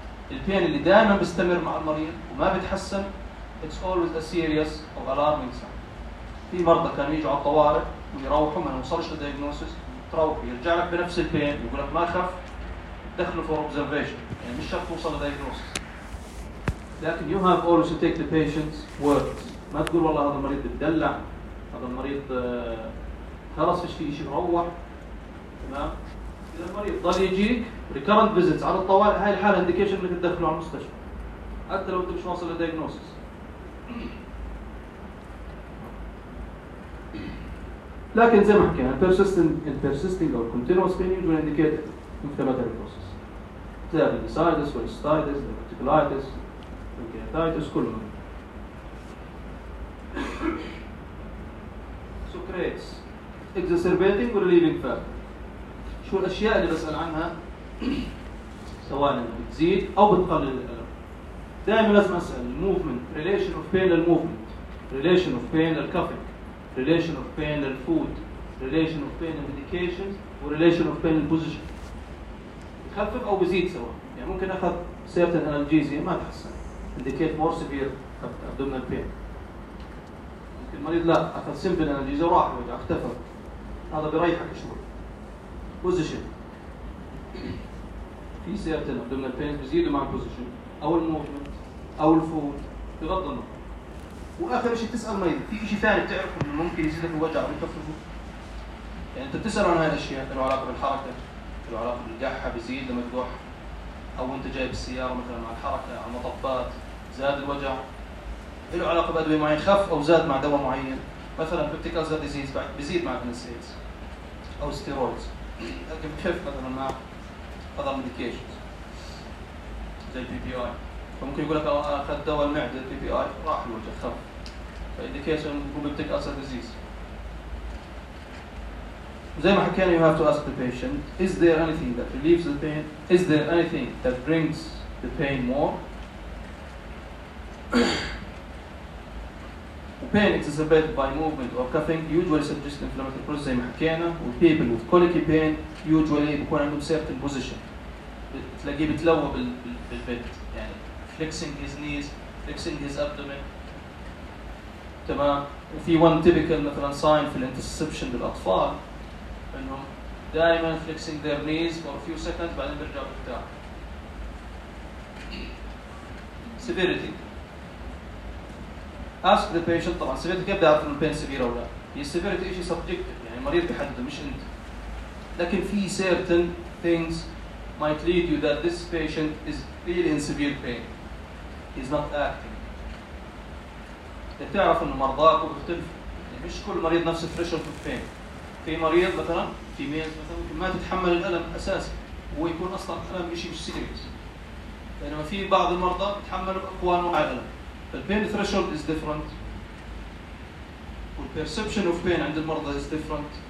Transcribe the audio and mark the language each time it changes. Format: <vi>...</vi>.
<ar>البين اللي دائماً بيستمر مع المريض وما بتحسن</ar> <en>it's always a serious or alarming sign.</en> <ar>في مرضى كانوا يجوا على الطوارئ ويروحوا ما نوصلش للدياجنوسيس تروح يرجع لك بنفس البين يقول لك ما خف دخلوا for observation. يعني مش شرط توصل لديagnosis.</ar> <en>لكن you have always to take the patient's words.</en> <ar>ما تقول والله هذا المريض بتدلع. هذا المريض خلاص فيش فيه شيء مروح. تمام؟ إذا المريض ضل يجيك recurrent visits على الطوارئ هاي الحالة indication انك تدخله على المستشفى. حتى لو انت مش واصل لديagnosis.</ar> <en>لكن زي ما حكينا persisting or continuous pain will indicate inflammatory process. زي appendicitis, cholecystitis, diverticulitis, pancreatitis, كل منهم. So creates exacerbating or relieving factor.</en> <ar>شو الأشياء اللي بسأل عنها سواء بتزيد أو بتقلل الألم.</ar> <en>دائما لازم أسأل movement, relation of pain to movement, relation of pain to coughing, relation of pain to food, relation of pain to medications, or relation of pain to position.</en> <ar>خفف أو بزيد سواء. يعني ممكن أخذ certain analgesia ما تحسن.</ar> <en>Indicate more severe abdominal pain.</en> <ar>ممكن المريض لا أخذ simple analgesia وراح وجع اختفى. هذا بريحك شوي. Position. في certain abdominal pain بزيدوا مع position أو movement أو الفود بغض النظر. وآخر شيء تسأل المريض في شيء ثاني تعرفه إنه ممكن يزيدك الوجع ويخففه. يعني أنت بتسأل عن هاي الأشياء إنه علاقة بالحركة. العلاقة بالجحة بيزيد لما تروح أو أنت جايب السيارة مثلا مع الحركة على المطبات زاد الوجع له علاقة بأدوية معين خف أو زاد مع دواء معين مثلا بيبتكال زاد ديزيز بيزيد مع الانسيلز أو ستيرويدز لكن بخف مثلا مع أضر ميديكيشن زي البي بي آي فممكن يقول لك أخذ دواء المعدة البي بي آي راح الوجع خف فإنديكيشن هو بيبتكال زاد ديزيز.</ar> <en>زي ما حكينا you have to ask the patient is there anything that relieves the pain, is there anything that brings the pain more. Pain exacerbated by movement or coughing usually suggests inflammatory process زي ما حكينا. People with colicky pain usually بكون عندهم certain position تلاقيه بتلوى بالبيت يعني flexing his knees flexing his abdomen.</en> <ar>تمام. وفي one typical مثلا sign في الانترسبشن بالأطفال انهم دائما flexing their knees for a few seconds بعدين برجع بالتاع.</ar> <en>Severity.</en> <ar>Ask the patient طبعا severity كيف بيعرف انه pain severe او لا. هي severity اشي subjective يعني المريض بيحدده مش انت.</ar> <en>لكن في certain things might lead you that this patient is really in severe pain. He's not acting.</en> <ar>بتعرف انه مرضاك وبيختلف يعني مش كل مريض نفس threshold of pain. في مريض مثلا في ميز مثلا ممكن ما تتحمل الالم اساسا ويكون اصلا الالم شيء مش سيريس. بينما في بعض المرضى بتحمل اقوى انواع الالم. فالبين ثريشولد از ديفرنت والبرسبشن اوف بين عند المرضى از ديفرنت.</ar>